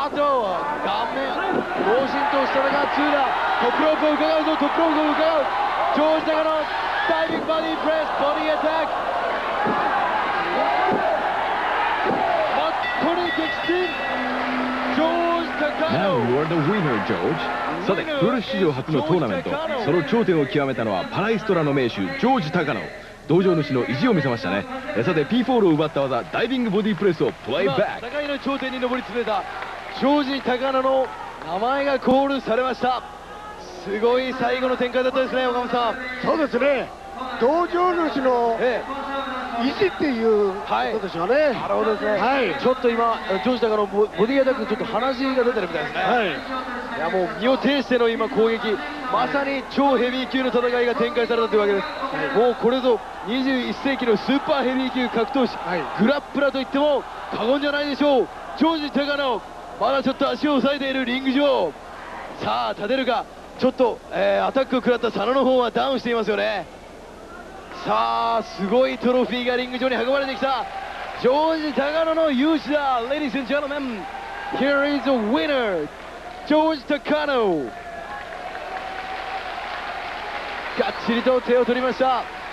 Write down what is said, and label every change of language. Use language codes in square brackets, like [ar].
[ja] ードは顔面脳震盪したのがツーだ。トップロープを伺うぞ、トップロープを伺う。ジョージ・ナガのダイビングボディープレス、ボディアタック、マットに激震。 [en] Now you are the winner, George. [ja] さて、プロレス史上初のトーナメント、その頂点を極めたのはパライストラの名手ジョージ・タカノ。道場主の意地を見せましたね。さて、 P4 を奪った技、ダイビングボディープレスをプレイバック。戦いの頂点に上り詰めたジョージ・タカノの名前がコールされました。すごい最後の展開だったですね、岡本さん。そうですね、道場主の意地っていうことでしょうね。なるほどですね、はい、ちょっと今ジョージタカのボディアタックちょっと鼻血が出てるみたいですね、はい、いやもう身を挺しての今攻撃、まさに超ヘビー級の戦いが展開されたというわけです、はい、もうこれぞ21世紀のスーパーヘビー級格闘士、はい、グラップラといっても過言じゃないでしょう。ジョージタカのまだちょっと足を押さえているリング上、さあ立てるか。ちょっと、アタックを食らった佐野の方はダウンしていますよね。さあすごいトロフィーがリング上に運ばれてきた。ジョージ・タカノの勇姿だ。 [en] Ladies and gentlemen, here is a winner, ジョージ・タカノ。 [ja] がっちりと手を取りました。